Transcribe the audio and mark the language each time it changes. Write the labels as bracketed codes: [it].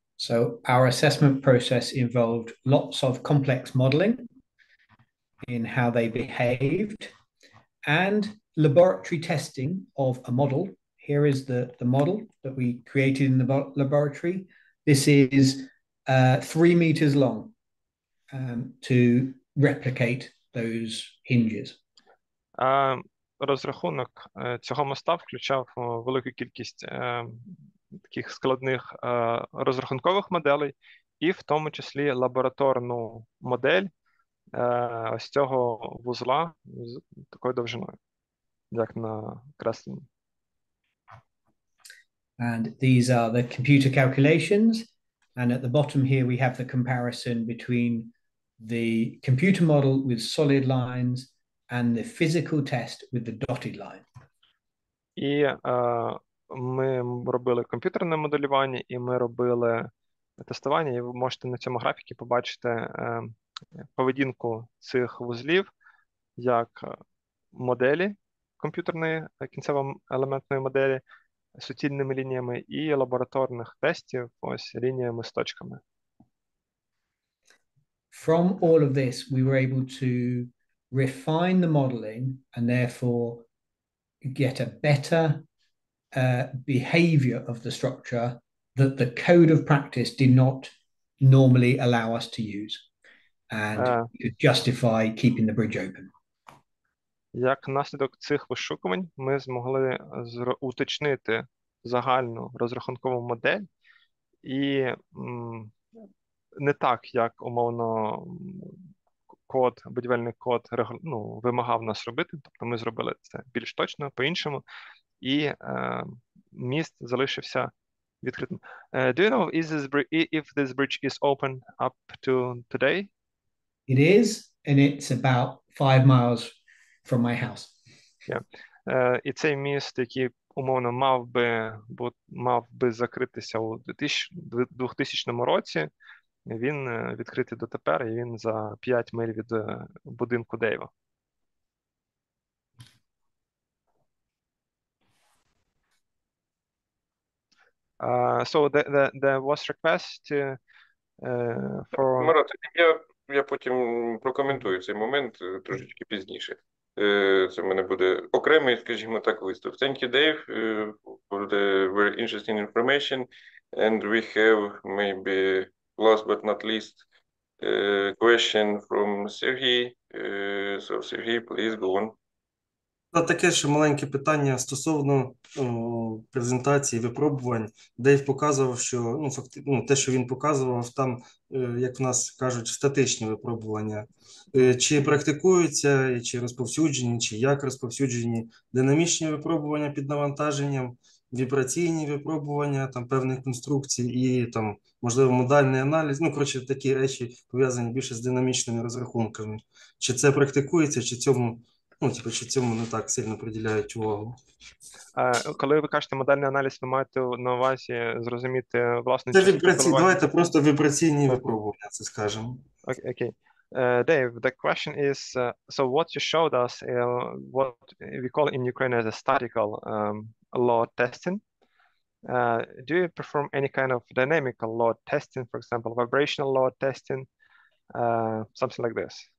[en] So our assessment process involved lots of complex modeling in how they behaved, and laboratory testing of a model. Here is the model that we created in the laboratory. This is 3 meters long to replicate those hinges. [uk] Розрахунок цього моста включав велику кількість таких складних розрахункових моделей, і в тому числі лабораторну модель ось цього вузла з такою довжиною, як на кресленні. [en] And these are the computer calculations, and at the bottom here we have the comparison between the computer model with solid lines and the physical test with the dotted line. [uk] І ми робили комп'ютерне моделювання, і ми робили тестування, і ви можете на цьому графіку побачити поведінку цих вузлів як моделі комп'ютерної кінцево-елементної моделі з суцільними лініями і лабораторних тестів ось лініями з точками. [en] From all of this, we were able to refine the modeling and therefore get a better behavior of the structure that the code of practice did not normally allow us to use and justify keeping the bridge open. [uk] Як наслідок цих вишукувань, ми змогли уточнити загальну розрахункову модель і не так, як умовно код, будівельний код вимагав нас робити, тобто ми зробили це більш точно, по-іншому, і міст залишився відкритим. [en] Do you know if this bridge is open up to today? It is, and it's about 5 miles from my house. Yeah. [uk] І цей міст, який умовно мав би закритися у 2000 році, він відкритий дотепер, і він за 5 миль від будинку Дейва. [en] So the was request for... [uk] Марат, я потім прокоментую цей момент трошечки пізніше. Це в мене буде окремий, скажімо так, виступ. [en] Thank you, Dave, for the very interesting information. And we have maybe last but not least question from Сергій. So, Сергій, please go on. [uk] Та таке ще маленьке питання стосовно презентації випробувань. Дейв показував, що те, що він показував, там, як в нас кажуть, статичні випробування. Чи практикуються, чи розповсюджені, чи як розповсюджені динамічні випробування під навантаженням, вібраційні випробування там певних конструкцій і там, можливо, модальний аналіз. Ну, коротше, такі речі пов'язані більше з динамічними розрахунками. Чи це практикується, чи цьому. Чи цьому не так сильно приділяють увагу. Коли ви кажете модальний аналіз, ви маєте на увазі зрозуміти власне... Це вібраційні, давайте просто вібраційні випробування, це скажемо. Окей. [en] Dave, the question is, so what you showed us, what we call in Ukraine as a statical load testing, do you perform any kind of dynamical load testing, for example, vibrational load testing, something like this?